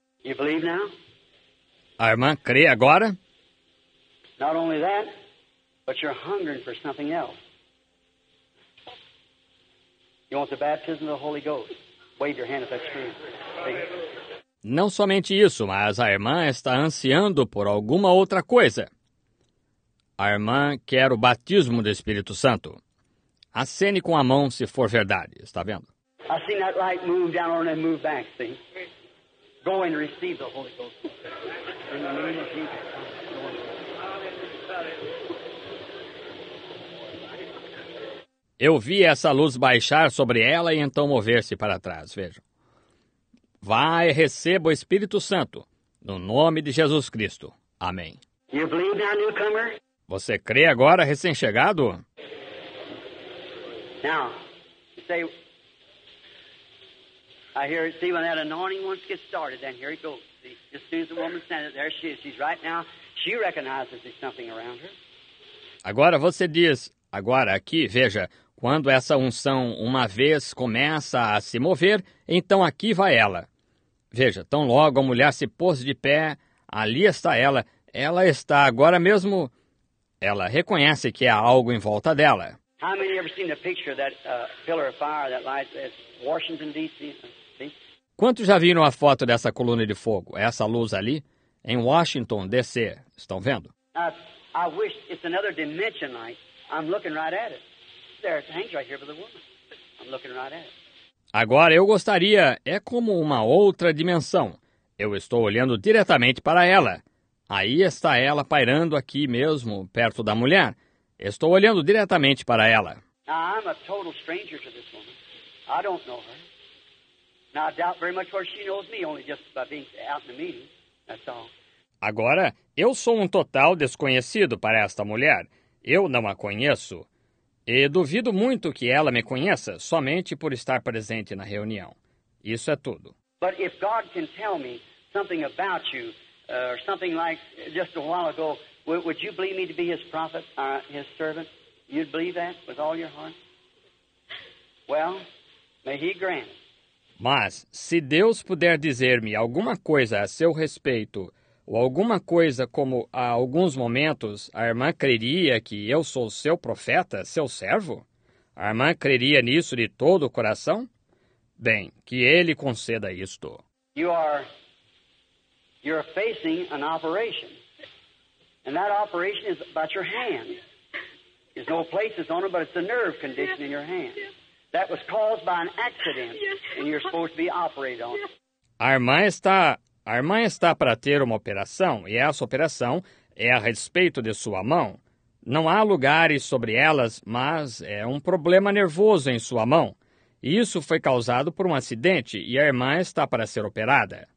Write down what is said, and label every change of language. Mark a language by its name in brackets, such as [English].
[English] You believe now? [Portuguese] A irmã crê agora? [English] Not only that, but you're hungering for something else. You want the baptism of the Holy Ghost? Wave your hand if that's true. [Portuguese] Não somente isso, mas a irmã está ansiando por alguma outra coisa. A irmã quer o batismo do Espírito Santo. Acene com a mão se for verdade, está vendo? [English] I see that light move down on and move back, see? Go and receive the Holy Ghost in the name of Jesus. [Portuguese] Eu vi essa luz baixar sobre ela e então mover-se para trás, vejam. Vai, receba o Espírito Santo, no nome de Jesus Cristo. Amém. [English] You believe now, newcomer? [Portuguese] Você crê agora, recém-chegado? [English] Now, say... I hear it. See, when that anointing once gets started, then here it goes. See, just as soon as the woman stands up, there she is. She's right now. She recognizes there's something around her. [Portuguese] Agora você diz, agora aqui, veja, quando essa unção uma vez começa a se mover, então aqui vai ela. Veja, tão logo a mulher se pôs de pé, ali está ela. Ela está agora mesmo. Ela reconhece que há algo em volta dela. [English] How many ever seen the picture of that pillar of fire that lights as Washington D.C.? [Portuguese] Quantos já viram a foto dessa coluna de fogo, essa luz ali, em Washington, D.C.? Estão vendo? [English] I wish it's another dimension light. I'm looking right at it. There it hangs right here by the woman. I'm looking right at it. [Portuguese] Agora eu gostaria, é como uma outra dimensão. Eu estou olhando diretamente para ela. Aí está ela pairando aqui mesmo, perto da mulher. Estou olhando diretamente para ela. [English] Now, I'm a total stranger to this woman. I don't know her. Now, I doubt very much where she knows me, only just by being out in the meeting. That's all. [Portuguese] Agora, eu sou um total desconhecido para esta mulher. Eu não a conheço. E duvido muito que ela me conheça somente por estar presente na reunião. Isso é tudo. [English] But if God can tell me something about you, something like just a while ago, would you believe me to be his prophet, his servant? You'd believe that with all your heart? Well, may he grant. [Portuguese] Mas se Deus puder dizer-me alguma coisa a seu respeito, ou alguma coisa como há alguns momentos, a irmã creria que eu sou seu profeta, seu servo? A irmã creria nisso de todo o coração? Bem, que ele conceda isto. [English] You're facing an operation. And that operation is about your hand. There's no places on it, but it's a nerve condition in your hand. That was caused by an accident, and you're supposed to be operated on. [Portuguese] A irmã está para ter uma operação, e essa operação é a respeito de sua mão. Não há lugares sobre elas, mas é um problema nervoso em sua mão. Isso foi causado por um acidente e a irmã está para ser operada.